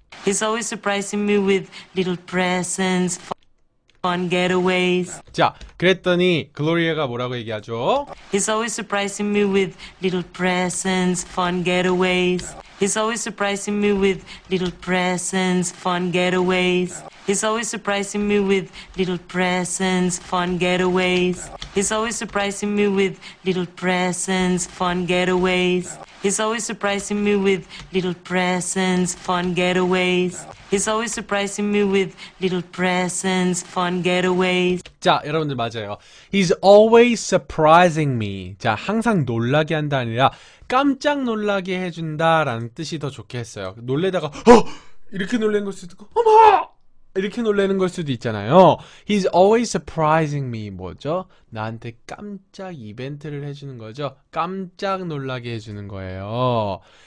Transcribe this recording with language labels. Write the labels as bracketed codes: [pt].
[en] He's always surprising me with little presents, fun getaways. [ko] 자, 그랬더니 글로리아가 뭐라고 얘기하죠? [en] He's always surprising me with little presents, fun getaways. He's always surprising me with little presents, fun getaways. He's always surprising me with little presents, fun getaways. He's always surprising me with little presents, fun getaways. He's always surprising me with little presents, fun getaways. He's always surprising me with little presents, fun getaways. [ko] 자, 여러분들 맞아요. [en] He's always surprising me. [ko] 자, 항상 놀라게 한다 아니라 깜짝 놀라게 해준다라는 뜻이 더 좋게 했어요. 놀래다가 이렇게 놀라는 걸 수도 있고, 어머! 이렇게 놀라는 걸 수도 있잖아요. [en] He's always surprising me. [ko] 뭐죠? 나한테 깜짝 이벤트를 해주는 거죠. 깜짝 놀라게 해주는 거예요.